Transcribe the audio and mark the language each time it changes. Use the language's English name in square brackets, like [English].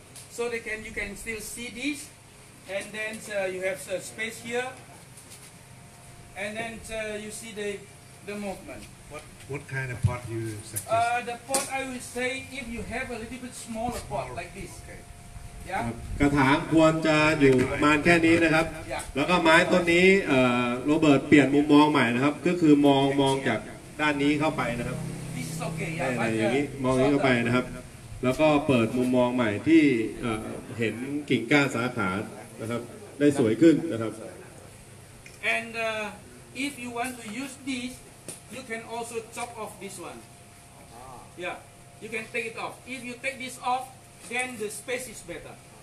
[English] So they can, you can still see this, and then you have a space here, and then you see the movement. What kind of pot you suggest? The pot I will say if you have a little bit smaller pot like this. Okay. [Thai] กระถางควรจะอยู่มานแค่นี้นะครับแล้วก็ไม้ต้นนี้โรเบิร์ตเปลี่ยนมุมมองใหม่นะครับก็คือมองจากด้านนี้เข้าไปนะครับอย่างนี้มองนี้เข้าไปนะครับแล้วก็เปิดมุมมองใหม่ที่เห็นกิ่งก้านสาขานะครับได้สวยขึ้นนะครับ [English] and if you want to use this you can also chop off this one yeah you can take it off if you take this offThen the space is better.